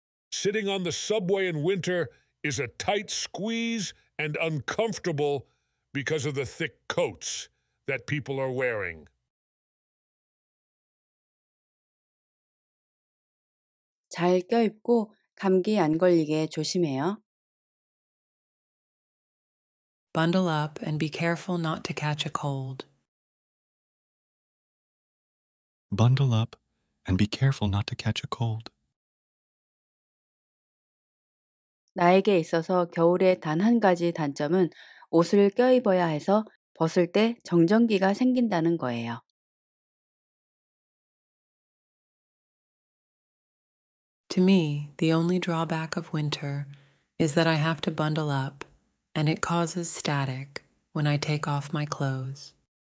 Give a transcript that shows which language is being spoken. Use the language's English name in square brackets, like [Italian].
[English] Sitting on the subway in winter is a tight squeeze and uncomfortable because of the thick coats that people are wearing. [Korean] 잘 껴입고 감기 안 걸리게 조심해요. [English] Bundle up and be careful not to catch a cold. Bundle up and be careful not to catch a cold. [Korean] 나에게 있어서 겨울의 단 한 가지 단점은 옷을 껴입어야 해서 벗을 때 정전기가 생긴다는 거예요. [English] To me, the only drawback of winter is that I have to bundle up, and it causes static when I take off my clothes.